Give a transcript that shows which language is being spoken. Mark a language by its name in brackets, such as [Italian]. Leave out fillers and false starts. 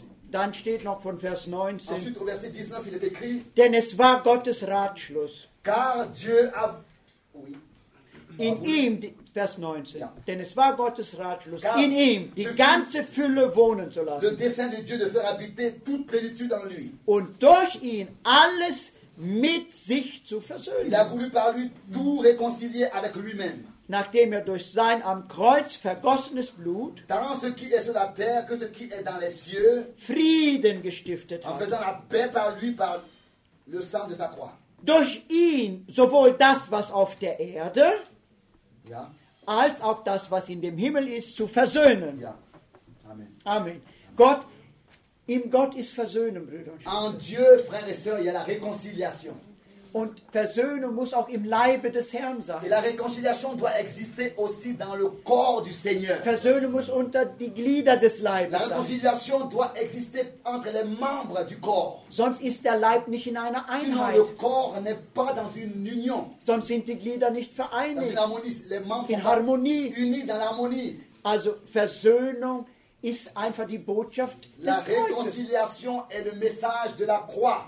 [German] Dann steht noch von Vers 19, denn es war Gottes Ratschluss. [French] Car Dieu a [German] in ihm, Vers 19, ja. Denn es war Gottes Ratschluss, car in ihm die ganze Fülle wohnen zu lassen. [French] Le dessein de Dieu de faire habiter toute plénitude en lui. [German] Und durch ihn alles mit sich zu versöhnen. [French] Il a voulu par lui tout réconcilier avec lui-même. [German] Nachdem er durch sein am Kreuz vergossenes Blut Frieden gestiftet [French] en faisant [German] hat. [French] La paix par lui, par le sang de sa croix. [German] Durch ihn sowohl das, was auf der Erde, ja, als auch das, was in dem Himmel ist, zu versöhnen. Ja. Amen. Amen. Amen. Gott, in Gott ist Versöhnung, Brüder und Schwestern. [French] En Dieu, frères et sœurs, il y a la réconciliation. [German] Und Versöhnung muss auch im Leibe des Herrn sein. [French] Et la réconciliation doit exister aussi dans le corps du Seigneur. [German] Versöhnung muss unter die Glieder des Leibes sein. [French] La réconciliation doit exister entre les membres du corps. [German] Sonst ist der Leib nicht in einer Einheit. [French] Sinon le corps n'est pas dans une union. [German] Sonst sind die Glieder nicht vereinigt. [French] Dans une harmonie, les membres [German] in Harmonie. [French] Unis dans l'harmonie. [German] Also Versöhnung ist einfach die Botschaft des Kreuzes. [French] La réconciliation est le message de la croix.